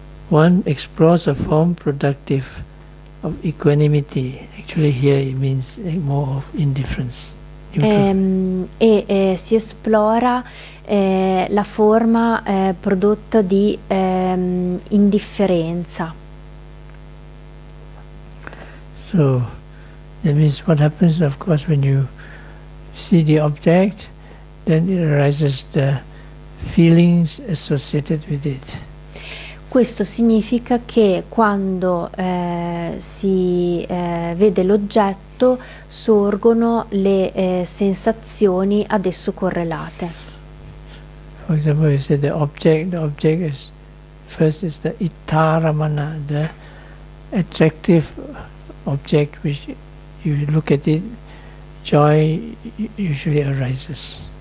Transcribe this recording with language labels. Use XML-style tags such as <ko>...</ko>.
<en>One explores a form productive of equanimity. Actually, here it means more of indifference, neutral.</en> <it>E si esplora la forma prodotta di indifferenza.</it> <en>So, that means what happens, of course, when you see the object, then it arises the feelings associated with it.</en> <it>Questo significa che quando si vede l'oggetto sorgono le sensazioni ad esso correlate.</it> <en>For example, you say the object is, first is the ittaramana, the attractive object which you look at it, joy usually arises.</en>